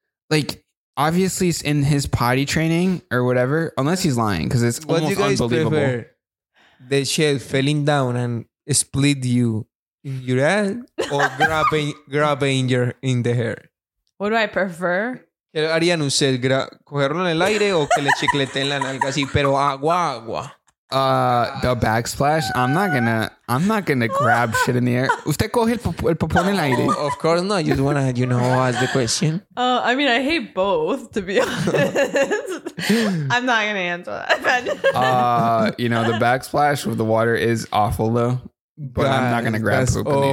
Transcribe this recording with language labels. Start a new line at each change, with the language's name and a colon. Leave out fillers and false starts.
English: Like, obviously it's in his potty training or whatever, unless he's lying because it's almost unbelievable. Prefer? The shell falling down and split you in your head or grabbing your in the hair. What do I prefer?
Spanish: ¿Qué harían ustedes? ¿Cogerlo en el aire o que le chicleteen la nalga así? Pero agua, agua.
English: The backsplash. I'm not gonna grab shit in the air.
Spanish: ¿Usted coge el popón en el aire?
English: Of course not. I just wanna, you know, ask the question. I mean, I hate both, to be honest. I'm not gonna answer that. You know, the backsplash with the water is awful, though. But God, I'm not gonna grab poop awful.